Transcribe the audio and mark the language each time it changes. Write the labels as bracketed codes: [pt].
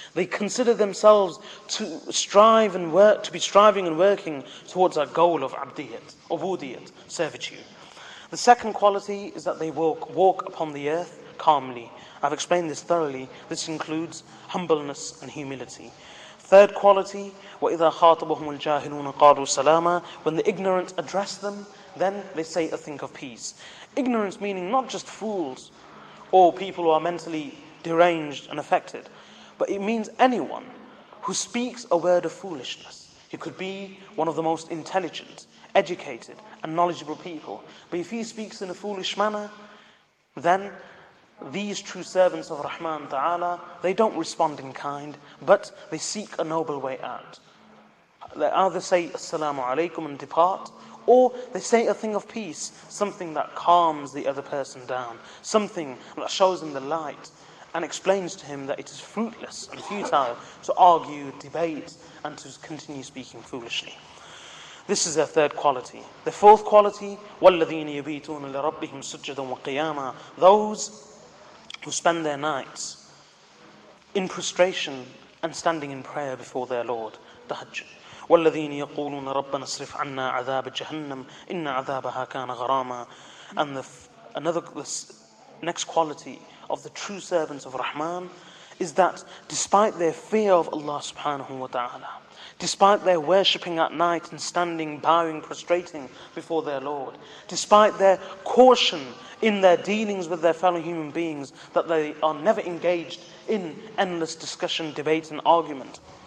[en] They consider themselves to strive and work, to be striving and working towards our goal of abdiyat, ubudiyat, servitude. The second quality is that they walk upon the earth calmly. I've explained this thoroughly. This includes humbleness and humility. Third quality, [ar] وَإِذَا خَاطَبَهُمُ الْجَاهِلُونَ قَالُوا سَلَامًا. [en] When the ignorant address them, then they say a thing of peace. Ignorance meaning not just fools or people who are mentally deranged and affected, but it means anyone who speaks a word of foolishness. He could be one of the most intelligent, educated, and knowledgeable people. But if he speaks in a foolish manner, then these true servants of Rahman Ta'ala, they don't respond in kind, but they seek a noble way out. They either say, Assalamu alaikum, and depart, or they say a thing of peace, something that calms the other person down, something that shows him the light and explains to him that it is fruitless and futile to argue, debate, and to continue speaking foolishly. This is their third quality. The fourth quality, [ar] وَالَّذِينَ يَبِيتُونَ لِرَبِّهِمْ سُجَّدًا وَقِيَامًا. [en] Those who spend their nights in prostration and standing in prayer before their Lord, tahajjud. [ar] وَالَّذِينَ يَقُولُونَ رَبَّنَا اصْرِفْ عَنَّا عَذَابَ جَهَنَّمَ إِنَّ عَذَابَهَا كَانَ غَرَامًا. [en] And the next quality of the true servants of Rahman is that despite their fear of Allah subhanahu wa ta'ala, despite their worshipping at night and standing, bowing, prostrating before their Lord, despite their caution in their dealings with their fellow human beings, that they are never engaged in endless discussion, debate and argument,